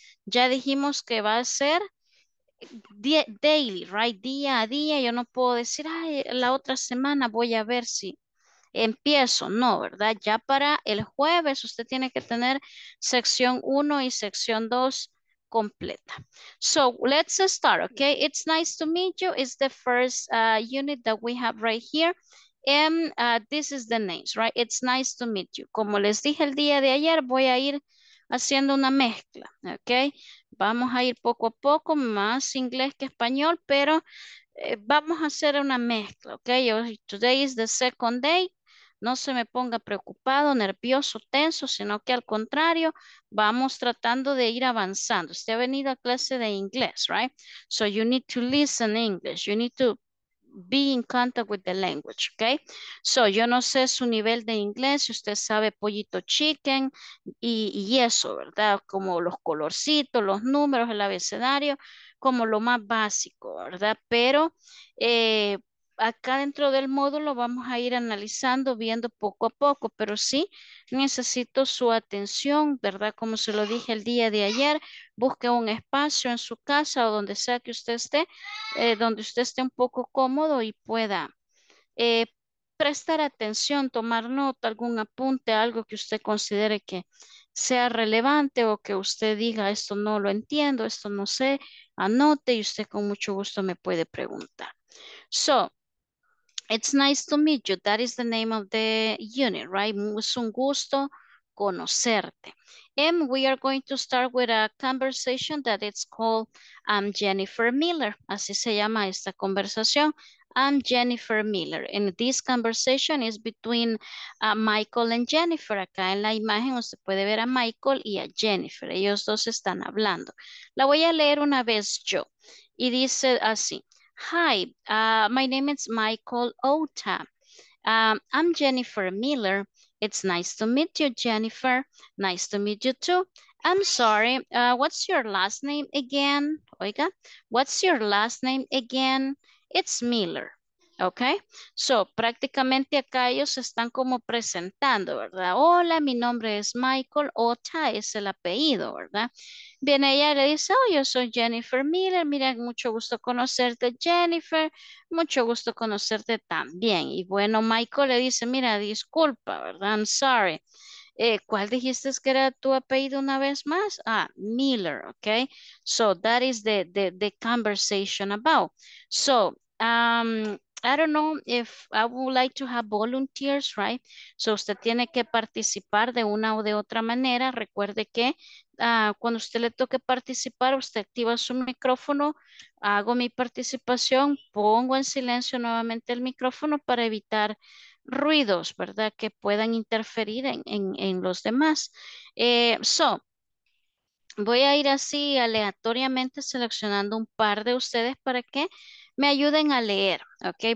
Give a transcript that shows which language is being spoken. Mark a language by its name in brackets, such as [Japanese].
[Spanish] Ya dijimos que va a ser daily, right? Día a día. Yo no puedo decir, ay, la otra semana voy a ver si empiezo. No, ¿verdad? Ya para el jueves usted tiene que tener sección 1 y sección 2 completa. [English] So let's start, okay? It's nice to meet you. It's the first unit that we have right here. And this is the names, right? It's nice to meet you. [Spanish] Como les dije el día de ayer, voy a ir haciendo una mezcla, okay? Vamos a ir poco a poco, más inglés que español, pero vamos a hacer una mezcla, okay? [English] Today is the second day. [Spanish] No se me ponga preocupado, nervioso, tenso, sino que al contrario, vamos tratando de ir avanzando. Usted ha venido a clase de inglés, right? [English] So you need to listen English. You need to be in contact with the language, okay? [Spanish] So yo no sé su nivel de inglés, si usted sabe pollito chicken y eso, ¿verdad? Como los colorcitos, los números, el abecedario, como lo más básico, ¿verdad? Pero acá dentro del módulo vamos a ir analizando, viendo poco a poco, pero sí necesito su atención, ¿verdad? Como se lo dije el día de ayer, busque un espacio en su casa o donde sea que usted esté, donde usted esté un poco cómodo y pueda prestar atención, tomar nota, algún apunte, algo que usted considere que sea relevante o que usted diga, esto no lo entiendo, esto no sé, anote y usted con mucho gusto me puede preguntar. [English] So, it's nice to meet you. That is the name of the unit, right? [Spanish] Es un gusto conocerte. [English] And we are going to start with a conversation that it's called I'm Jennifer Miller. [Spanish] Así se llama esta conversación. [English] I'm Jennifer Miller. And this conversation is between Michael and Jennifer. [Spanish] Acá en la imagen usted puede ver a Michael y a Jennifer. Ellos dos están hablando. La voy a leer una vez yo. Y dice así. [English] Hi, my name is Michael Ota. I'm Jennifer Miller. It's nice to meet you, Jennifer. Nice to meet you too. I'm sorry, what's your last name again? Oiga, what's your last name again? It's Miller. [Spanish] Okay, so prácticamente acá ellos están como presentando, ¿verdad? Hola, mi nombre es Michael Ota, es el apellido, ¿verdad? Viene ella y le dice, oh, yo soy Jennifer Miller, mira, mucho gusto conocerte, Jennifer, mucho gusto conocerte también. Y bueno, Michael le dice, mira, disculpa, ¿verdad? [English] I'm sorry. [Spanish] ¿Cuál dijiste que era tu apellido una vez más? [English] Ah, Miller, okay. So that is the conversation about. So, I don't know if I would like to have volunteers, right? [Spanish] So usted tiene que participar de una o de otra manera. Recuerde que cuando usted le toque participar, usted activa su micrófono, hago mi participación, pongo en silencio nuevamente el micrófono para evitar ruidos, ¿verdad? Que puedan interferir en los demás. So, voy a ir así aleatoriamente seleccionando un par de ustedes para que me ayuden a leer, ¿ok?